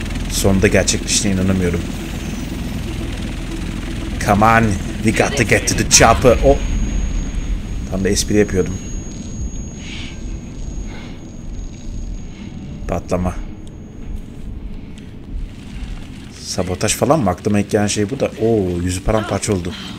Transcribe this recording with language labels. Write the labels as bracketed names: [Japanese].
[Turkish] Sonunda gerçekleştiğine inanamıyorum. [English] Come on, we got to get to the chopper. Oh. [Turkish] Tam da espri yapıyordum. Patlama. Sabotaj falan mı? Aklıma ilk gelen şey bu da. Oo, yüzü paramparça oldu.